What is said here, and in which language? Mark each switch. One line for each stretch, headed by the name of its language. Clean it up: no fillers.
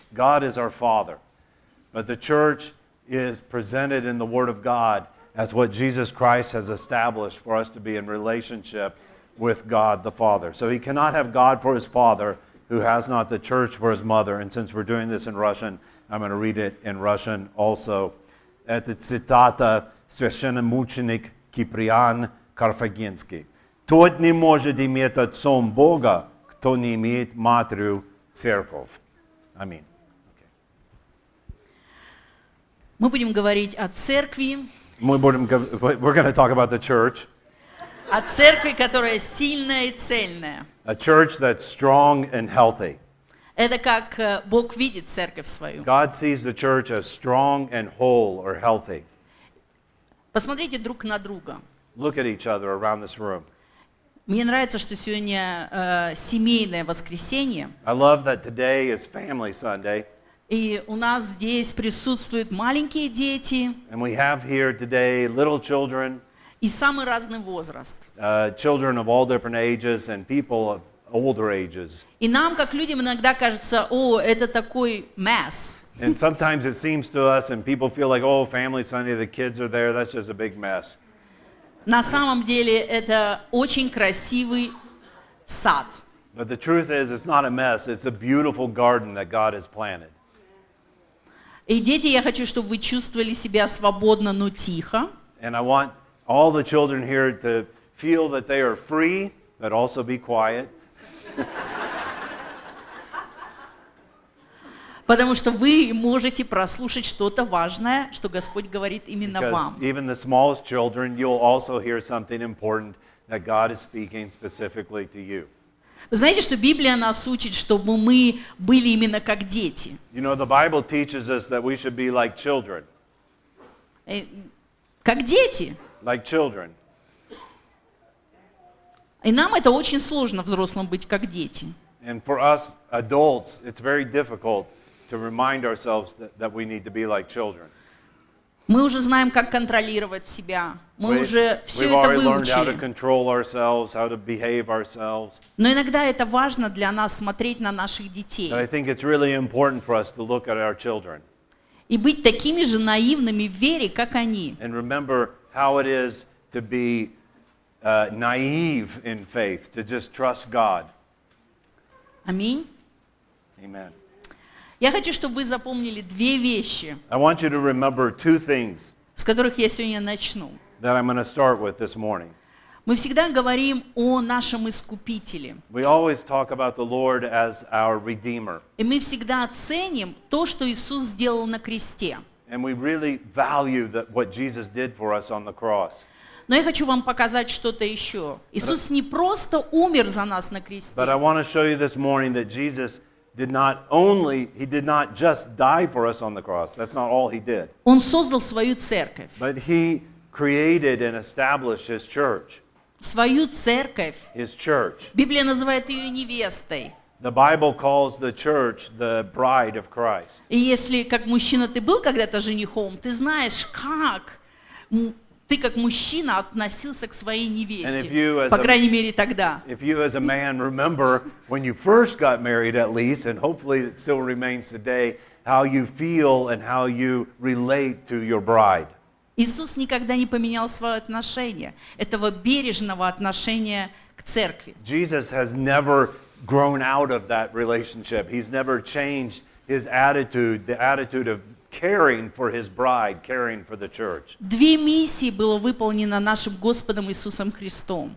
English: God is our father. But the church is presented in the Word of God as what Jesus Christ has established for us to be in relationship with God the Father. So he cannot have God for his father who has not the church for his mother. And since we're doing this in Russian, I'm going to read it in Russian also.
Russian: Это цитата священномученик Киприан Карфагенский. Тот не может иметь отцом Бога, кто не имеет матерью церковь. Аминь.
English: Okay.
Russian: Мы будем говорить о церкви.
English: We're going to talk about the church.
Russian: О церкви, которая сильная и цельная.
English: A church that's strong and healthy.
Russian: Это как Бог видит церковь свою.
English: God sees the church as strong and whole or healthy.
Russian: Посмотрите друг на друга.
English: Look at each other around this room.
Russian: Мне нравится, что сегодня семейное воскресенье.
English: I love that today is Family Sunday.
Russian: И у нас здесь присутствуют маленькие дети.
English: And we have here today little children.
Russian: И самый разный возраст.
English: Children of all different ages and people of older ages.
Russian: И нам, как людям, иногда кажется, о, это такой mess.
English: And sometimes it seems to us, and people feel like, oh, Family Sunday, the kids are there, that's just a big mess.
Russian: На самом деле, это очень красивый сад.
English: But the truth is, it's not a mess, it's a beautiful garden that God has planted.
Russian: И дети, я хочу, чтобы вы чувствовали себя свободно, но тихо.
English: And I want all the children here to feel that they are free, but also be quiet.
Russian: Потому что вы можете прослушать что-то важное, что Господь говорит именно
English: Because
Russian: вам.
English: Even the smallest children, you'll also hear something important that God is speaking specifically to you.
Russian: Вы знаете, что Библия нас учит, чтобы мы были именно как дети.
English: You know, the Bible teaches us that we should be like children.
Russian: Как дети.
English: Like children.
Russian: И нам это очень сложно, взрослым, быть как дети.
English: And for us, adults, it's very difficult to remind ourselves that we need to be like children.
Russian: Мы уже знаем, как контролировать себя. Мы уже все это выучили.
English: We've already learned how to control ourselves, how to behave ourselves.
Russian: Но иногда это важно для нас смотреть на наших детей.
English: But I think it's really important for us to look at our children.
Russian: И быть такими же наивными в вере, как они.
English: And remember how it is to be naive in faith, to just trust God.
Russian: Аминь.
English: Amen.
Russian: Я хочу, чтобы вы запомнили две вещи,
English: I want you to remember two things,
Russian: с которых я сегодня начну.
English: That I'm going to start with this morning.
Russian: Мы всегда говорим о нашем Искупителе.
English: We always talk about the Lord as our Redeemer.
Russian: И мы всегда оценим то, что Иисус сделал на кресте.
English: And we really value that what Jesus did for us on the cross.
Russian: Но я хочу вам показать что-то еще. Иисус не просто умер за нас на кресте.
English: But I want to show you this morning that Jesus did not only he did not just die for us on the cross that's not all he did
Russian: Он создал свою церковь
English: But he created and established his church
Russian: Свою церковь
English: His church
Russian: Библия называет её невестой
English: The Bible calls the church the bride of Christ
Russian: И если как мужчина ты был когда-то женихом ты знаешь как ты как мужчина относился к своей невесте по крайней мере тогда
English: If you as a man remember when you first got married at least and hopefully it still remains today how you feel and how you relate to your bride
Russian: Иисус никогда не поменял своё отношение этого бережного отношения к церкви
English: Jesus has never grown out of that relationship he's never changed his attitude the attitude of caring for his bride, caring for the church.
Russian: Две миссии было выполнено нашим Господом Иисусом Христом.